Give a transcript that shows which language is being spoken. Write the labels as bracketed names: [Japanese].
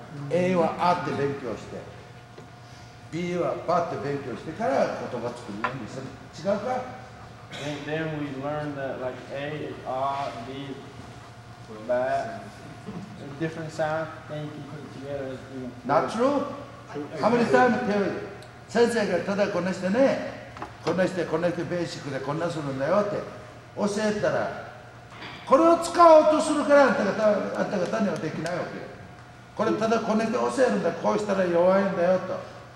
[English] Can you learn ABC before you can learn to spell out the word? [Japanese] B はバって勉強してから言葉作るようにする。違うか？ [English] Then we learn that like A, A, B, B, different sound, then you can put it together as B. Not true? How many times can you? [Japanese] 先生がただこなしてね、こなしてこなしてベーシックでこんなするんだよって教えたら、これを使おうとするからあんた方にはできないわけよ。これただこなして教えるんだ、こうしたら弱いんだよと。